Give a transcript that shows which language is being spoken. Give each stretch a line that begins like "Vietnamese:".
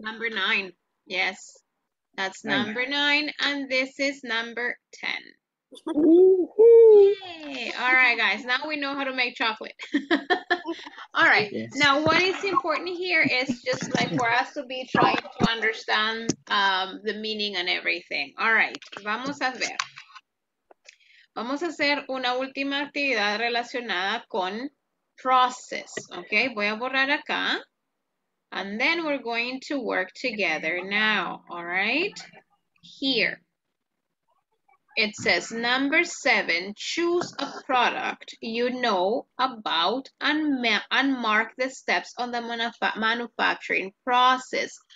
English: Number nine. Yes. That's number nine. And this is number 10. Yay. All right, guys, now we know how to make chocolate. All right, yes. Now what is important here is just like for us to be trying to understand the meaning and everything. All right,
Spanish: vamos a ver. Vamos a hacer una última actividad relacionada con process. Okay, voy a borrar acá.
English: And then we're going to work together now. All right, here. It says, number 7, choose a product you know about and mark the steps on the manufacturing process.